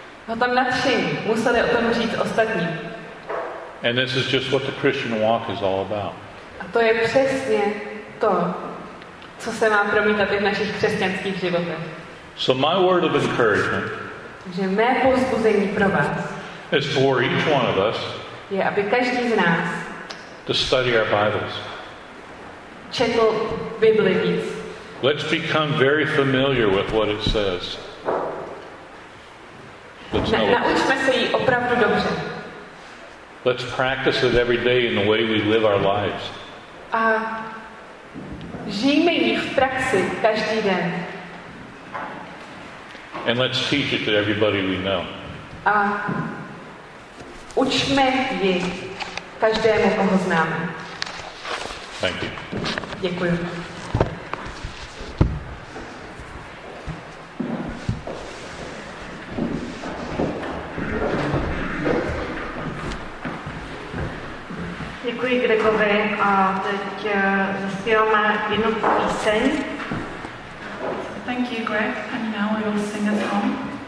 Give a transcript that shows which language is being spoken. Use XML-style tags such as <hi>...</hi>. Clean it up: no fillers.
<cs>Bylo tam nadšení. Museli o tom říct ostatní.</cs> <en>And this is just what the Christian walk is all about.</en> <cs>A to je přesně to, co se má promítat i v našich křesťanských životech.</cs> <en>So my word of encouragement,</en> <cs>že mé povzbuzení pro vás,</cs> <en>is for each one of us,</en> <cs>je, aby každý z nás,</cs> <en>to study our Bibles,</en> <cs>četl Bibli víc.</cs> <en>Let's become very familiar with what it says.</en> <cs>Naučme se ji opravdu dobře.</cs> <en>Let's practice it every day in the way we live our lives.</en> <cs>A žijme ji v praxi každý den.</cs> <en>And let's teach it to everybody we know.</en> <cs>A učme ji každému, koho známe.</cs> <en>Thank you.</en> <cs>Děkuji. Děkuji Gregovi a teď zaspíváme jednu píseň.</cs> <en>Thank you, Greg, and now I will sing a song.</en>